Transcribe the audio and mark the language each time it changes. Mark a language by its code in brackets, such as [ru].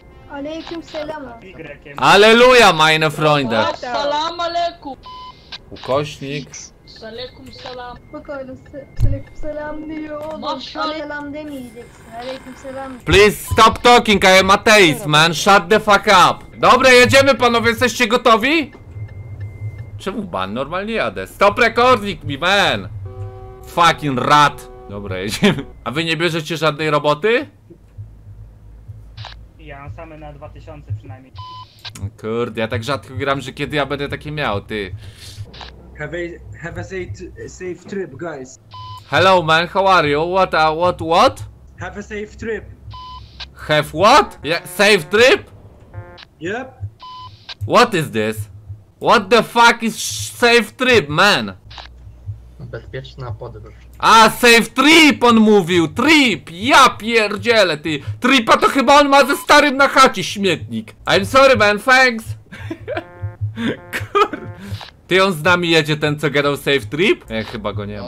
[ar] Aleikum salam. [de] Aleluja, meine Freunde. [ar] Salam aleikum. [pl] Ukośnik. [ar] Aleikum salam. Aleikum salam [tr] diyor. Aleikum demeyeceksin. [en] Please stop talking, I am atheist, man. Shut the fuck up. [pl] Dobra, jedziemy, panowie, jesteście gotowi? Czemu pan normalnie jadę? [en] Stop recording me, man. Fucking rat. [pl] Dobra, jedziemy. A wy nie bierzecie żadnej roboty? Ja mam same na 2000 przynajmniej. Kurde, ja tak rzadko gram, że kiedy ja będę taki miał, ty. [en] Have a safe trip, guys. Hello, man, how are you? What? Have a safe trip. Have what? Yeah, safe trip? Yep. What is this? What the fuck is safe trip, man? [pl] Bezpieczna podróż. A, [en] safe trip [pl] on mówił, trip, ja pierdziele ty. Tripa to chyba on ma ze starym na chacie śmietnik. [en] I'm sorry, man, thanks. [pl] Kur... Ty, on z nami jedzie, ten co gadał [en] safe trip? [pl] Nie, chyba go nie ma.